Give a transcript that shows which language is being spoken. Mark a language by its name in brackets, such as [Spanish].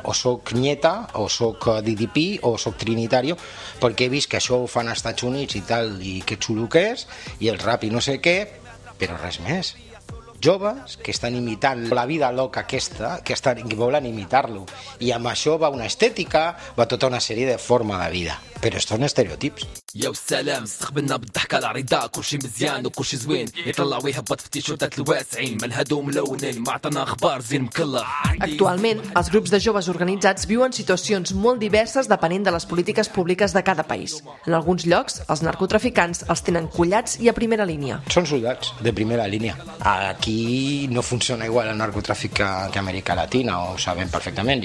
[Catalan] O soc nieta, o soc DDP, o soc trinitario, perquè he vist que això ho fan als Estats Units i tal, i que xulo que és, i el rap i no sé què, però res més. Joves que estan imitant la vida loca aquesta, que volen imitar-lo. I amb això va una estètica, va tota una sèrie de forma de vida. Però són estereotips. [Arabic] يا والسلام استقبلنا بالضحكة العريضة كلشي مزيان وكلشي زوين يطلع ويهبط في التيشيرتات الواسعين من هدوم لونين ما عطانا اخبار زين مكلح. [Catalan] Actualment, els grups de joves organitzats viuen situacions molt diverses depenent de les polítiques públiques de cada país. En alguns llocs, els narcotraficants els tenen collats i a primera línia. Són soldats de primera línia. Aquí no funciona igual el narcotràfic que Amèrica Latina, ho sabem perfectament.